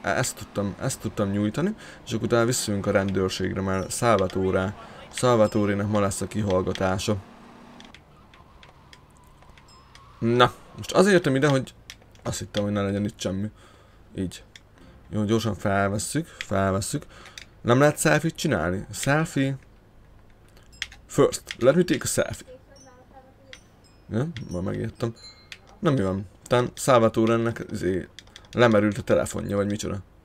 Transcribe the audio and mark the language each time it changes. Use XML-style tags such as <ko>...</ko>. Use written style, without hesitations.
<hu>Ezt tudtam nyújtani. És akkor utána visszajönk a rendőrségre, mert Salvatore-nek ma lesz a kihallgatása. Na, most azért jöttem ide, hogy azt hittem, hogy ne legyen itt semmi. Így. Jó, gyorsan felvesszük. Nem lehet selfie-t csinálni? Selfie.</hu> <en>First, let me take a selfie.</en> <hu>Ja, ma megijedtem. Na mi van? Tán Salvatore-nek lemerült a telefonja, vagy micsoda.</hu>